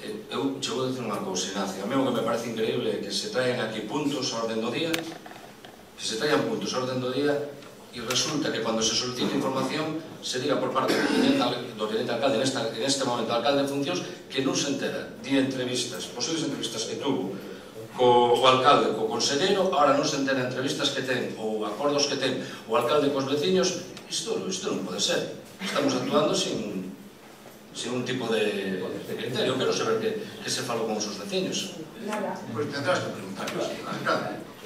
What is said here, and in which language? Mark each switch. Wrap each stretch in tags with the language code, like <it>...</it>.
<gl>Eu che vou dicir unha cousa, Ignacio. A mí o que me parece increíble é que se traen aquí puntos a orden do día, que se traen puntos a orden do día, e resulta que cando se solicita información, se diga por parte do presidente alcalde, en este momento alcalde de funcións, que non se entera, di entrevistas, posibles entrevistas que tuvo, o alcalde, co consellero, ahora non se entera entrevistas que ten, ou acordos que ten, o alcalde cos veciños, isto non pode ser.</gl> <es>Estamos actuando sin un tipo de criterio.</es> <gl>Quero saber que se falou con os seus veciños.</gl> <es>Pois tendrás que preguntarlo ao alcalde.</es>